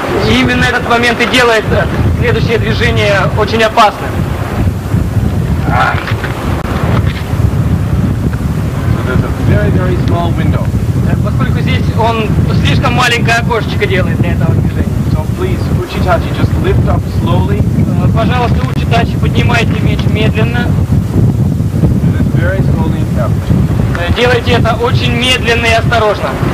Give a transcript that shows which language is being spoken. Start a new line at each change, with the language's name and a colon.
Russian: Именно этот момент и делает следующее движение очень опасным.
English: So there's a very, very small window.
Russian: Поскольку здесь он слишком маленькое окошечко делает для этого движения.
English: Please, Uchitachi, just lift up slowly.
Russian: Пожалуйста, Uchitachi, поднимайте меч медленно.
English: Do this very slowly and carefully.
Russian: Делайте это очень медленно и осторожно.